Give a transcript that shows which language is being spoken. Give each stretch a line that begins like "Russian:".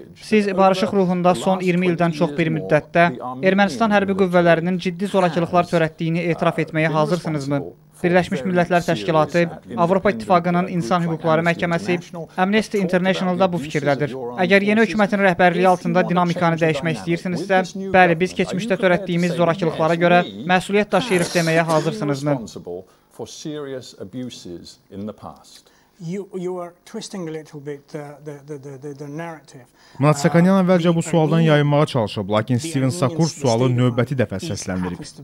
Azerbaijani: Siz barışıq ruhunda son 20 ildən çox bir müddətdə Ermənistan hərbi qüvvələrinin ciddi zorakılıqlar törətdiyini etiraf etməyə hazırsınızmı? Birləşmiş Millətlər Təşkilatı, Avropa İttifaqının İnsan Hüquqları Məhkəməsi, Amnesty International da bu fikirdədir. Əgər yeni hökumətin rəhbərliyi altında dinamikanı dəyişmək istəyirsinizsə, bəli, biz keçmişdə törətdiyimiz zorakılıqlara görə məsuliyyət daşıyırıq deməyə hazırsınızmı?
English: For serious abuses in the past. You are twisting a little bit the narrative.
Azerbaijani: Natsakanyan əvvəlcə bu sualdan yayınmağa çalışıb, lakin Steven Sakur sualı növbəti dəfə səsləndirib.